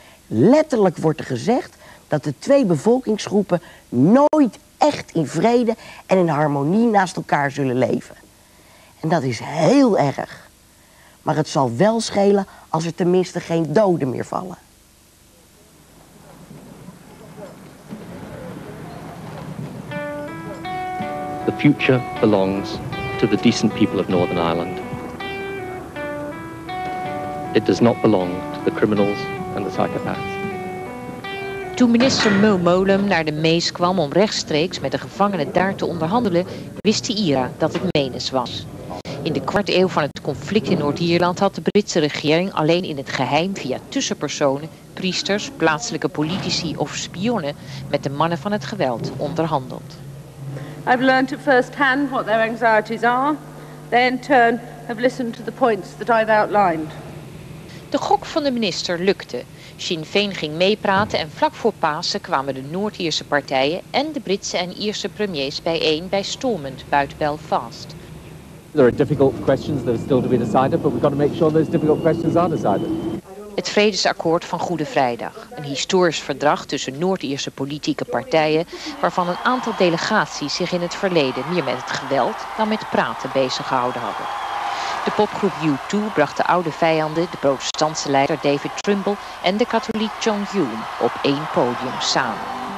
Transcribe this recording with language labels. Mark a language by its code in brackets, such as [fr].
[nl] Letterlijk wordt er gezegd dat de twee bevolkingsgroepen nooit echt in vrede en in harmonie naast elkaar zullen leven. En dat is heel erg. Maar het zal wel schelen als er tenminste geen doden meer vallen. [en] The future belongs to the decent people of Northern Ireland. It does not belong to the criminals and the psychopaths. [nl] Toen minister Mulmolem naar de Mees kwam om rechtstreeks met de gevangenen daar te onderhandelen, wist de IRA dat het menens was. In de kwart eeuw van het conflict in Noord-Ierland had de Britse regering alleen in het geheim via tussenpersonen, priesters, plaatselijke politici of spionnen met de mannen van het geweld onderhandeld. [en] I've learned at first hand what their anxieties are. They in turn have listened to the points that I've outlined. [nl] De gok van de minister lukte. Sinn Féin ging meepraten en vlak voor Pasen kwamen de Noord-Ierse partijen en de Britse en Ierse premiers bijeen bij Stormont buiten Belfast. [en] There are difficult questions that are still to be decided, but we've got to make sure those difficult questions are decided. [nl] Het vredesakkoord van Goede Vrijdag, een historisch verdrag tussen Noord-Ierse politieke partijen, waarvan een aantal delegaties zich in het verleden meer met het geweld dan met praten bezig gehouden hadden. De popgroep U2 bracht de oude vijanden, de protestantse leider David Trimble en de katholiek John Hume, op één podium samen.